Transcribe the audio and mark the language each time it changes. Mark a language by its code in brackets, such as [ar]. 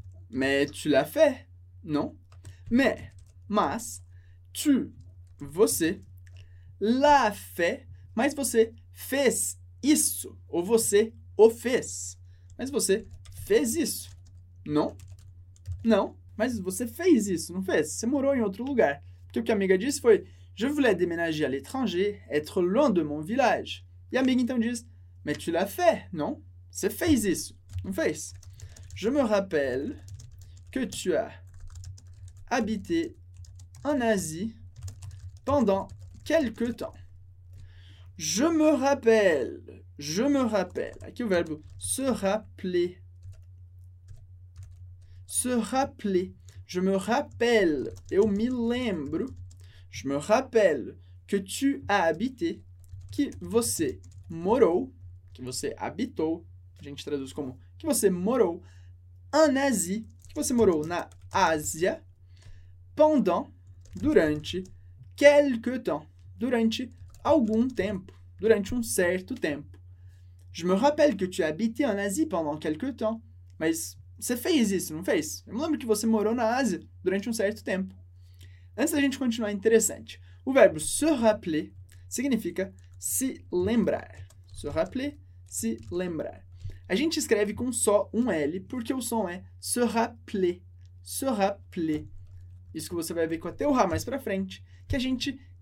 [fr] Mais tu l'as fait, non? [pt] Mas, tu, você, l'a fait, mas você fez isso, ou você o fez. Mas você fez isso, non? Não, mas você fez isso, não fez? Você morou em outro lugar. Porque o que a amiga disse foi, [fr] je voulais déménager à l'étranger, être loin de mon village. [pt] E a amiga então diz, [fr] mais tu l'as fait, non? [pt] Você fez isso, não fez? [fr] Je me rappelle que tu as habité en Asie pendant quelque temps. Je me rappelle. [pt] Aqui o verbo se rappeler. [fr] Je me rappelle. [pt] Eu me lembro. [fr] Je me rappelle que tu as habité. [pt] Que você morou. Que você habitou. A gente traduz como que você morou [fr] en Asie, [pt] que você morou na Ásia, pendant, durante, [fr] quelque temps, [pt] durante algum tempo, durante um certo tempo. [fr] Je me rappelle que tu habitais en Asie pendant quelque temps. [pt] Mas você fez isso, não fez? Eu me lembro que você morou na Ásia durante um certo tempo. Antes da gente continuar, interessante. O verbo se rappeler significa se lembrar. Se rappeler, se lembrar. A gente escreve com só um L, porque o som é se rappeler, se rappeler. Isso que você vai ver com até o R mais pra frente, que a gente